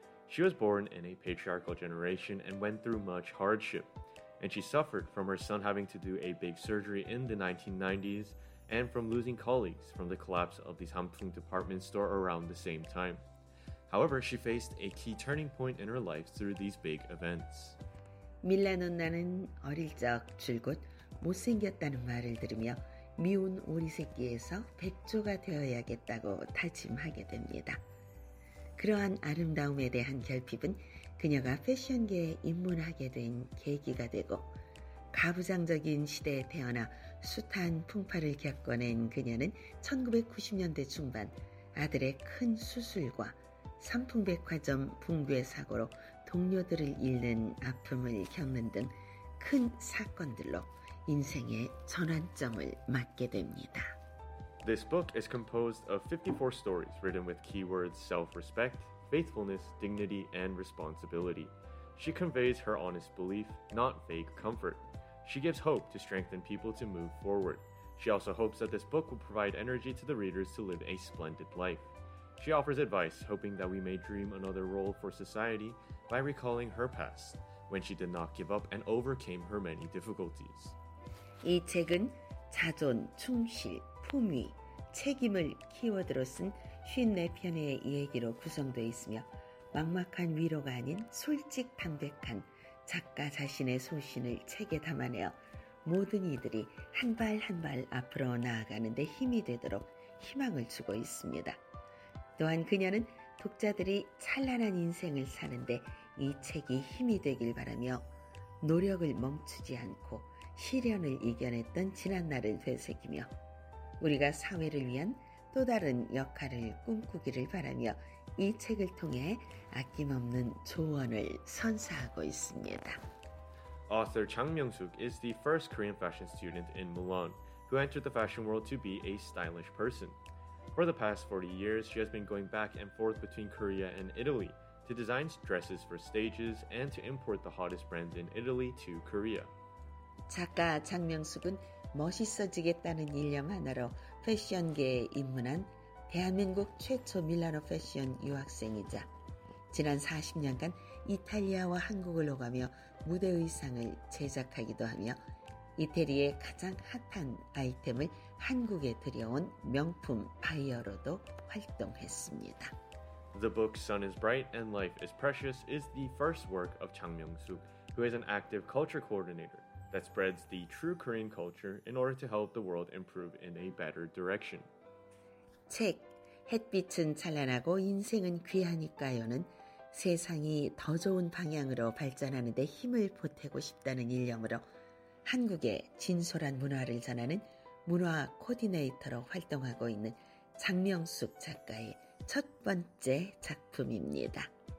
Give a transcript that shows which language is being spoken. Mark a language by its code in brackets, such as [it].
[en] She was born in a patriarchal generation and went through much hardship. And she suffered from her son having to do a big surgery in the 1990s and from losing colleagues from the collapse of the Samsung department store around the same time. However, she faced a key turning point in her life through these big events. [ko] 밀라누나는 어릴 적 줄곧 못생겼다는 말을 들으며 미운 오리 새끼에서 백조가 되어야겠다고 다짐하게 됩니다. 그러한 아름다움에 대한 결핍은 그녀가 패션계에 입문하게 된 계기가 되고 가부장적인 시대에 태어나 숱한 풍파를 겪어낸 그녀는 1990년대 중반 아들의 큰 수술과 삼풍백화점 붕괴 사고로 동료들을 잃는 아픔을 겪는 등 큰 사건들로 인생의 전환점을 맞게 됩니다. [en] This book is composed of 54 stories written with keywords self-respect, faithfulness, dignity, and responsibility. She conveys her honest belief, not fake comfort. She gives hope to strengthen people to move forward. She also hopes that this book will provide energy to the readers to live a splendid life. She offers advice, hoping that we may dream another role for society by recalling her past, when she did not give up and overcame her many difficulties. [ko] 이 책은 자존, 충실, 품위, 책임을 키워드로 쓴 54편의 이야기로 구성되어 있으며 막막한 위로가 아닌 솔직 담백한 작가 자신의 소신을 책에 담아내어 모든 이들이 한 발 한 발 앞으로 나아가는 데 힘이 되도록 희망을 주고 있습니다. 또한 그녀는 독자들이 찬란한 인생을 사는데 이 책이 힘이 되길 바라며 노력을 멈추지 않고 시련을 이겨냈던 지난 날을 되새기며 우리가 사회를 위한 또 다른 역할을 꿈꾸기를 바라며 이 책을 통해 아낌없는 조언을 선사하고 있습니다. [en] Author Chang Myung-suk is the first Korean fashion student in Milan who entered the fashion world to be a stylish person. For the past 40 years, she has been going back and forth between Korea and Italy to design dresses for stages and to import the hottest brands in Italy to Korea. [ko] 작가 장명숙은 멋있어지겠다는 일념 하나로 패션계에 입문한 대한민국 최초 밀라노 패션 유학생이자 지난 40년간 이탈리아와 한국을 오가며 무대 의상을 제작하기도 하며 이태리의 가장 핫한 아이템을 한국에 들여온 명품 바이어로도 활동했습니다. [en] The book Sun is Bright and Life is Precious is the first work of Chang Myung-suk, who is an active culture coordinator that spreads the true Korean culture in order to help the world improve in a better direction. [ko] 책, 햇빛은 찬란하고 인생은 귀하니까요는 세상이 더 좋은 방향으로 발전하는 데 힘을 보태고 싶다는 일념으로 한국의 진솔한 문화를 전하는 문화 코디네이터로 활동하고 있는 장명숙 작가의 첫 번째 작품입니다.